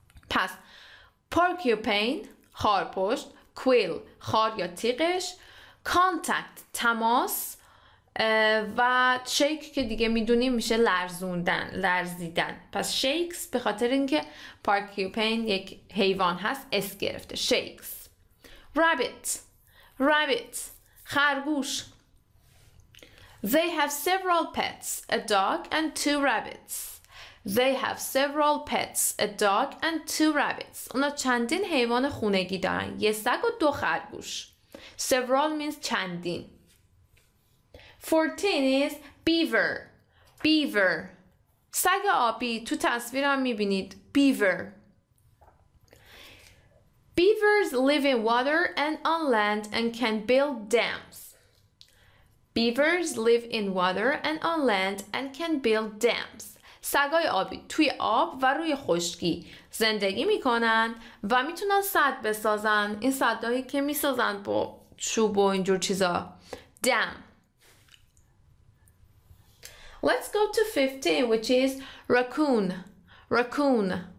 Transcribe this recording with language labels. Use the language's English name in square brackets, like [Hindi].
[Persian] پس porcupine خارپشت، quill خار یا تیغش، contact تماس، و شیک که دیگه میدونیم میشه لرزوندن، لرزیدن. پس شیکس به خاطر اینکه پارکیوپین یک حیوان هست اس گرفته، شیکس. رابیت، رابیت، خرگوش. [English] They have several pets, a dog and two rabbits. They have several pets, a dog and two rabbits. [Persian] اونا چندین حیوان خونگی دارن، یه سگ و دو خرگوش. [English] Several means چندین. 14 is beaver. Beaver. [Persian] سگ آبی تو تصویرم میبینید. [English] Beaver. Beavers live in water and on land and can build dams. Beavers live in water and on land and can build dams. [Persian] سگای آبی توی آب و روی خشکی زندگی میکنن و میتونن سد بسازن. این سدهایی که میسازن با چوب و اینجور چیزا. [English] Dam. Let's go to 15, which is raccoon. Raccoon.